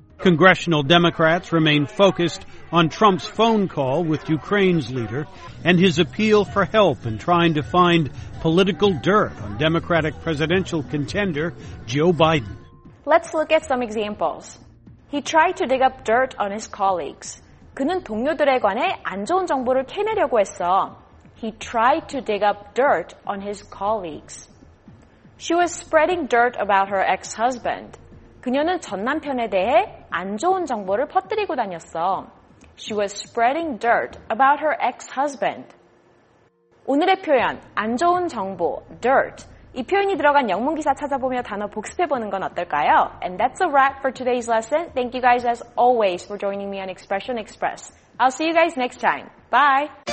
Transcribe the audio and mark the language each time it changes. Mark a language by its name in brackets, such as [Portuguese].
[English] Congressional Democrats remain focused on Trump's phone call with Ukraine's leader and his appeal for help in trying to find political dirt on Democratic presidential contender Joe Biden. Let's look at some examples. He tried to dig up dirt on his colleagues. [Korean] 그는 동료들에 관해 안 좋은 정보를 캐내려고 했어. [English] He tried to dig up dirt on his colleagues. She was spreading dirt about her ex-husband. [Korean] 그녀는 전남편에 대해 안 좋은 정보를 퍼뜨리고 다녔어. [English] She was spreading dirt about her ex-husband. [Korean] 오늘의 표현, 안 좋은 정보, dirt. 이 표현이 들어간 영문기사 찾아보며 단어 복습해보는 건 어떨까요? [English] And that's a wrap for today's lesson. Thank you guys as always for joining me on Expression Express. I'll see you guys next time. Bye!